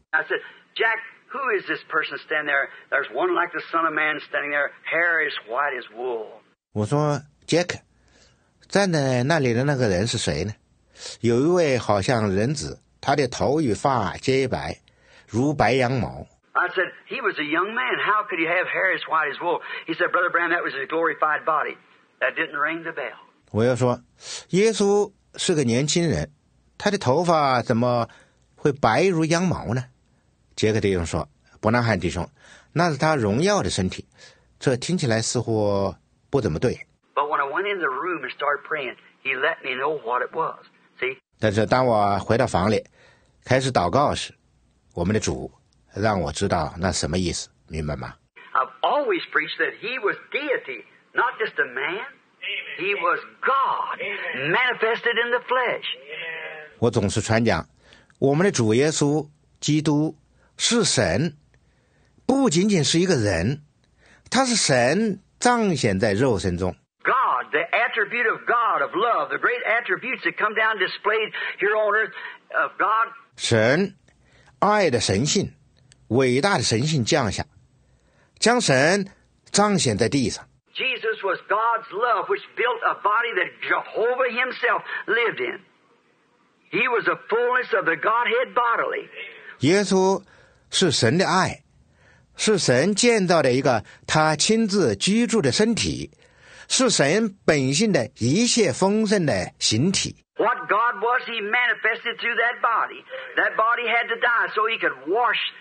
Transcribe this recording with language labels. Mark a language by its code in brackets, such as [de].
[en] I said, Jack, who is this person standing there? There's one like the Son of Man standing there, hair as white as wool. [zh] 我说 Jack, 站在那里的那个人是谁呢？有一位好像人子，他的头与发皆白，如白羊毛。 [en] I said, he was a young man. How could he have hair as white as wool? He said, Brother Branham, that was his glorified body. That didn't ring the bell. [zh] 我又说，耶稣是个年轻人，他的头发怎么会白如羊毛呢？杰克弟兄说，伯南汉弟兄，那是他荣耀的身体。这听起来似乎不怎么对。 [en] But when I went in the room and started praying, he let me know what it was. See? [zh] 但是当我回到房里，开始祷告时，我们的主让我知道那什么意思，明白吗？ [en] I've always preached that he was deity, not just a man. He was God, manifested in the flesh. [zh] 我总是传讲，我们的主耶稣基督是神，不仅仅是一个人，他是神彰显在肉身中。 [en] God, the attribute of God, of love, the great attributes that come down displayed here on earth of God. [zh] 神，爱的神性。伟大的神性降下，将神彰显在地上。 [en] Jesus was God's love, which built a body that Jehovah Himself lived in. He was the fullness of the Godhead bodily. [zh] 耶稣是神的爱，是神建造的一个他亲自居住的身体，是神本性的一切丰盛的形体。 [en] What God was, He manifested through that body. That body had to die so He could wash.